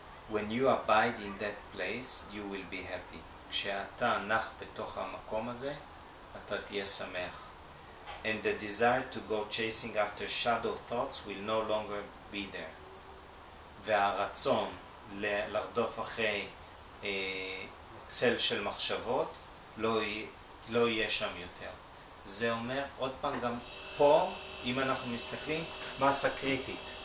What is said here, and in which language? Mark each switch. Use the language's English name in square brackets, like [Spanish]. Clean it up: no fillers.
[English] When you abide in that place, you will be happy. [Hebrew] כשאתה נח בתוך המקום הזה, אתה תהיה שמח. [English] And the desire to go chasing after shadow thoughts will no longer be there. [Hebrew] והרצון לרדוף אחרי צל של מחשבות לא יהיה שם יותר. זה אומר, עוד פעם, גם פה, אם אנחנו מסתכלים, מסה קריטית.